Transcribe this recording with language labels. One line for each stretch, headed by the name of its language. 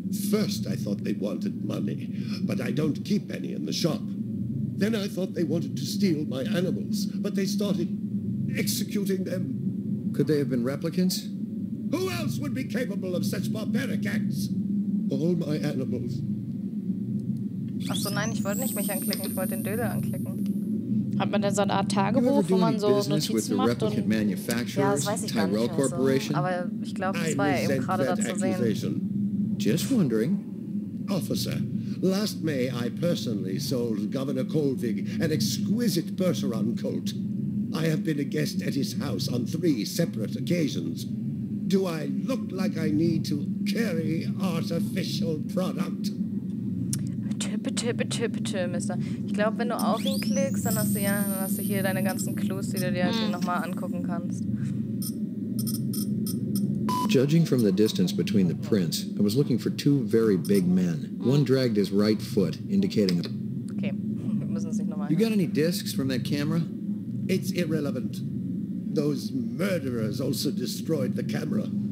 English: First I thought they wanted money, but I don't keep any in the shop. Then I thought they wanted to steal my animals, but they started executing them. Could they have been replicants? Who else would be capable of such barbaric acts? All my animals.
German: Ach so, nein, ich wollte nicht mich anklicken, ich wollte den Döde anklicken. Hat man denn so eine Art Tagebuch, wo man so Notizen macht? Und ja, das weiß ich Tyrell gar nicht. Also, aber ich glaube, das war ja eben gerade da zu sehen.
English: Just wondering. Officer, last May I personally sold Governor Kolvig an exquisite Percheron coat. I have been a guest at his house on three separate occasions. Do I look like I need to carry artificial product?
German: Bitte, bitte, bitte, Mister. Ich glaube, wenn du auf ihn klickst, dann hast du, ja, dann hast du hier deine ganzen Clues, die du dir halt nochmal angucken kannst.
English: Judging from the distance between the prints, I was looking for two very big men. One dragged his right foot, indicating...
German: Okay, wir müssen es nicht nochmal...
English: You got any discs from that camera? It's irrelevant. Those murderers also destroyed the camera.